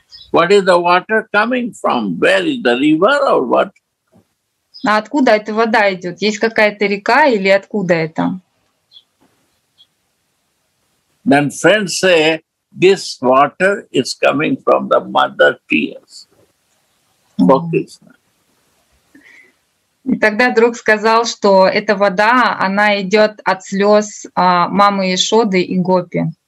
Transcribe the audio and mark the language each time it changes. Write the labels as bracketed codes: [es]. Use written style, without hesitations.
[en] What is the water coming from? Where is the river or what? [ru] А откуда эта вода идет? Есть какая-то река или откуда это? [en] Then friends say, this water is coming from the mother tears. [ru] И тогда друг сказал, что эта вода, она идет от слез мамы Ешоды и Гопи.